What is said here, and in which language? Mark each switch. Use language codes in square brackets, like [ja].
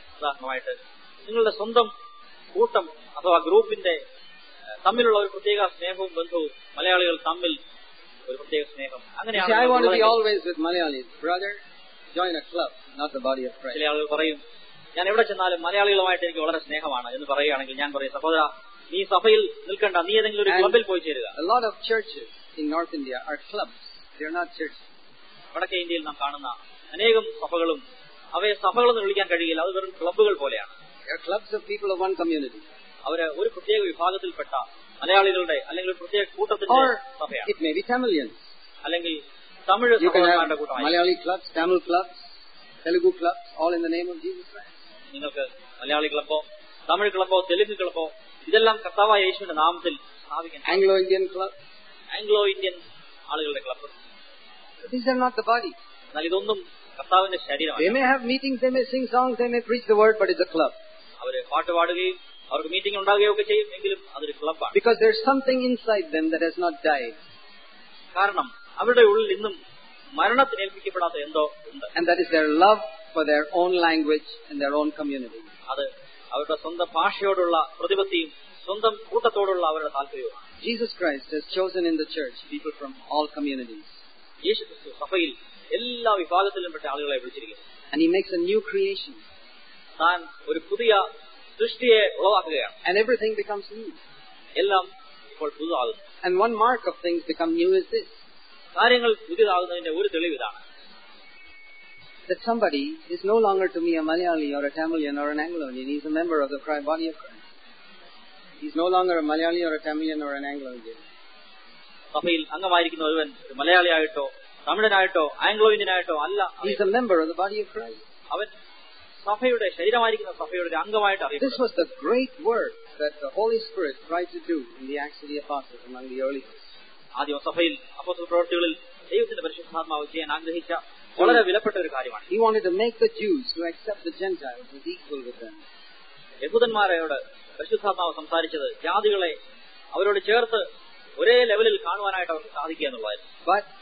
[ml] ഉദാഹരണമായിട്ട് നിങ്ങളുടെ സ്വന്തം കൂട്ടം അഥവാ ഗ്രൂപ്പിന്റെ തമ്മിലുള്ള ഒരു പ്രത്യേക സ്നേഹവും ബന്ധവും മലയാളികൾ തമ്മിൽ ഒരു പ്രത്യേക സ്നേഹം അങ്ങനെയാണ്. [en] I want to be always with Malayalis. Brother, join a club, not the body of Christ. [ml] മലയാളികൾ പറയും, ഞാൻ എവിടെ ചെന്നാലും മലയാളികളുമായിട്ട് എനിക്ക് വളരെ സ്നേഹമാണ് എന്ന് പറയുകയാണെങ്കിൽ ഞാൻ പറയും, സഹോദര നീ സഭയിൽ നിൽക്കണ്ട, നീ ഏതെങ്കിലും ഒരു ക്ലബിൽ പോയി ചേരുക. [en] A lot of churches in North India are clubs. They are not churches. [ml] വടക്കേ ഇന്ത്യയിൽ നാം കാണുന്ന അനേകം സഭകളും അവയെ സഭകളെന്ന് വിളിക്കാൻ കഴിയില്ല, അത് വെറും ക്ലബ്ബുകൾ പോലെയാണ്. [en] Clubs of people of one community. [ml] അവർ ഒരു പ്രത്യേക വിഭാഗത്തിൽപ്പെട്ട മലയാളികളുടെ അല്ലെങ്കിൽ ഒരു പ്രത്യേക കൂട്ടത്തിന്റെ സഭയാണ്. [en] it may be Tamilians [ml] അല്ലെങ്കിൽ തമിഴ് സഭകളുടെ കൂട്ടമാണ്. [en] Malayali clubs, Tamil clubs, Telugu clubs, all in the name of Jesus Christ. [ml] നിങ്ങൾക്ക് മലയാളി ക്ലബ്ബോ തമിഴ് ക്ലബ്ബോ തെലുങ്ക് ക്ലബ്ബോ ഇതെല്ലാം കർത്താവായ യേശുവിന്റെ നാമത്തിൽ സ്ഥാപിക്കണം. [en] Anglo Indian club, [ml] Anglo Indian ആളുകളുടെ club. [en] These are not the body. [ml] എന്നാൽ ഇതൊന്നും കർത്താവിന്റെ ശരീരമാണ്. [en] They may have meetings, they may sing songs, they may preach the word, but it's a club. [ml] അവർ പാട്ട് പാടുകയും അവർക്ക് മീറ്റിംഗ് ഉണ്ടാകുകയൊക്കെ ചെയ്യും, എങ്കിലും അതൊരു ക്ലബ്ബാണ്. [en] Because there's something inside them that has not died. [ml] കാരണം അവരുടെ ഉള്ളിൽ ഇന്നും മരണത്തിന് ഏൽപ്പിക്കപ്പെടാത്ത എന്തോ ഉണ്ട്. [en] And that is their love for their own language and their own community. [ml] അത് അവരുടെ സ്വന്തം ഭാഷയോടുള്ള പ്രതിബദ്ധതയും സ്വന്തം കൂട്ടത്തോടുള്ള അവരുടെ താല്പര്യവും. [en] Jesus Christ has chosen in the church people from all communities. [ml] യേശുക്രിസ്തു സഭയിൽ എല്ലാ വിഭാഗത്തിലും പെട്ട ആളുകളെ വിളിച്ചിരിക്കുന്നു. [en] And he makes a new creation. [ml] താൻ ഒരു പുതിയ സൃഷ്ടിയെ ഉളവാക്കുകയാണ്. [en] And everything becomes new. [ml] എല്ലാം ഇപ്പോൾ പുതുതാകുന്നു. [en] And one mark of things become new is this. [ml] കാര്യങ്ങൾ പുതിയതാകുന്നതിന്റെ ഒരു തെളിവിതാണ്. [en] That somebody is no longer to me a Malayali or a Tamilian or an Anglo-Indian. He's a member of the body of Christ. He's no longer a Malayali or a Tamilian or an Anglo-Indian. [ml] സഭയിൽ അംഗമായിരിക്കുന്ന ഒരുവൻ ഒരു മലയാളി ആയിട്ടോ തമിഴനായിട്ടോ Anglo Indian ആയിട്ടോ അല്ല. [en] He's a member of the body of Christ. [ml] അവൻ സഭയുടെ ശരീരമായിരിക്കുന്ന സഭയുടെ ഒരു അംഗമായിട്ട് അറിയുന്നു. [en] This was the great work that the Holy Spirit tried to do in the Acts of the Apostles among the early Christians. [ml] ആദ്യ സഭയിൽ അപ്പോസ്തല പ്രവൃത്തികളിൽ ദൈവത്തിന്റെ പരിശുദ്ധാത്മാവ് ചെയ്യാൻ ആഗ്രഹിച്ച വളരെ വിലപ്പെട്ട ഒരു കാര്യമാണ്. [en] He wanted to make the Jews to accept the Gentiles as equal with them. [ml] യഹൂദന്മാരോട് പരിശുദ്ധാത്മാവ് സംസാരിച്ചത് ജാതികളെ അവരോട് ചേർത്ത് ഒരേ ലെവലിൽ കാണുവാനായിട്ട് അവർക്ക് സാധിക്കുക